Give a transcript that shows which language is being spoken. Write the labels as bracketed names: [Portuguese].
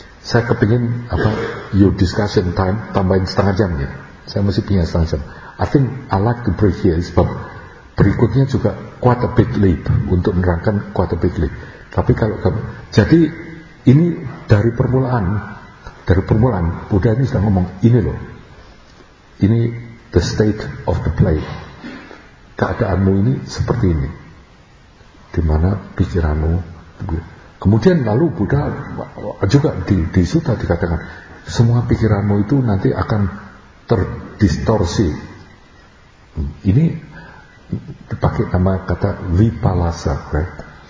[Indonesian] Saya kepingin apa? [English] Your discussion time [Indonesian] tambahin setengah jam ya. Saya mesti punya setengah jam. [English] I think I like to break here, [Indonesian] sebab berikutnya juga [English] quite a big leap [Indonesian] untuk menerangkan [English] quite a big leap. [Indonesian] Tapi kalau kamu, jadi ini dari permulaan Buddha ini sudah ngomong ini loh. Ini [English] the state of the play. [Indonesian] Keadaanmu ini seperti ini, di mana pikiranmu. Kemudian lalu Buddha juga di sutta dikatakan semua pikiranmu itu nanti akan terdistorsi. Ini dipakai nama kata vipalasa, right?